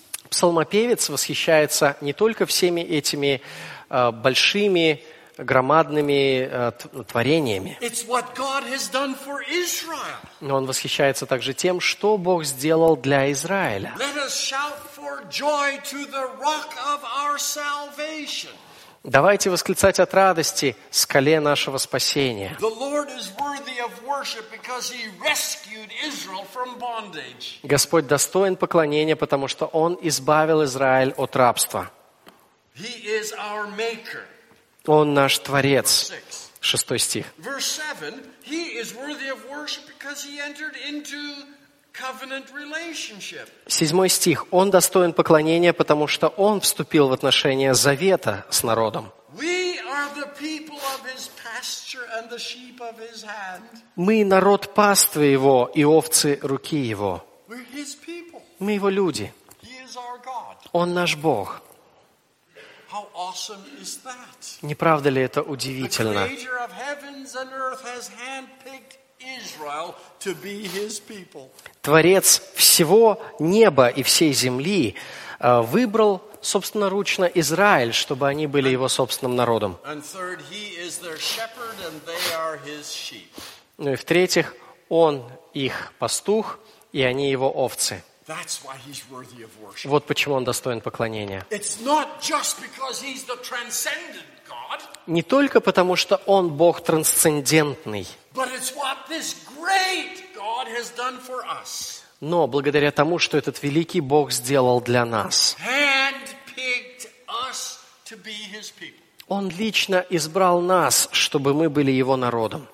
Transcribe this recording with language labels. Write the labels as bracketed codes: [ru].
[ru] Псалмопевец восхищается не только всеми этими большими, громадными творениями. [en] It's what God has done for Israel. [ru] Но он восхищается также тем, что Бог сделал для Израиля. [en] Let us shout for joy to the rock of our salvation. [ru] Давайте восклицать от радости скале нашего спасения. [en] The Lord is worthy of worship because he rescued Israel from bondage. [ru] Господь достоин поклонения, потому что он избавил Израиль от рабства. [en] He is our maker. [ru] Он наш Творец. Шестой стих. [en] Verse 7. He is worthy of worship because he entered into covenant relationship. [ru] Седьмой стих. Он достоин поклонения, потому что он вступил в отношения завета с народом. [en] We are the people of his pasture and the sheep of his hand. [ru] Мы народ паствы его и овцы руки его. [en] We're his people. [ru] Мы его люди. [en] He is our God. [ru] Он наш Бог. [en] How awesome is that? [ru] Не правда ли это удивительно? [en] The creator of heavens and earth has handpicked Israel to be his people. [ru] Творец всего неба и всей земли выбрал собственноручно Израиль, чтобы они были его собственным народом. [en] And third, he is their shepherd and they are his sheep. [ru] Ну и в-третьих, он их пастух, и они его овцы. [en] That's why he's worthy of worship. [ru] Вот почему он достоин поклонения. [en] It's not just because he's the transcendent God. [ru] Не только потому, что он Бог трансцендентный. [en] But it's what this great God has done for us. [ru] Но благодаря тому, что этот великий Бог сделал для нас. [en] Handpicked us to be his people. [ru] Он лично избрал нас, чтобы мы были его народом.